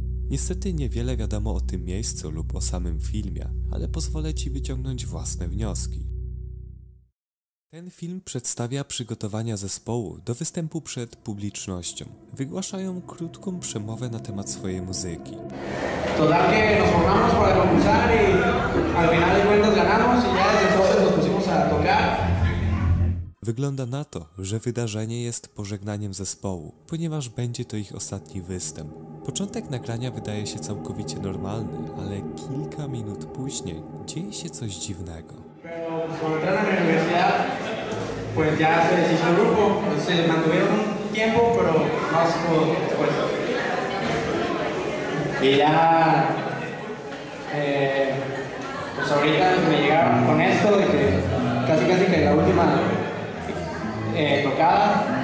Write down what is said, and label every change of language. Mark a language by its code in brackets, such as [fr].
[pl] Niestety niewiele wiadomo o tym miejscu lub o samym filmie, ale pozwolę ci wyciągnąć własne wnioski. Ten film przedstawia przygotowania zespołu do występu przed publicznością. Wygłaszają krótką przemowę na temat swojej muzyki. [es] Total que nos formamos para concursar y al final de cuentas ganamos y ya desde entonces nos pusimos a tocar. [pl] Wygląda na to, że wydarzenie jest pożegnaniem zespołu, ponieważ będzie to ich ostatni występ. Początek nagrania wydaje się całkowicie normalny, ale kilka minut później dzieje się coś dziwnego. [es] Cuando entraron en la universidad, pues ya se deshizo el grupo, pues se les mantuvieron un tiempo, pero más como después. Y ya, pues ahorita me llegaron con esto de que casi que la última tocada.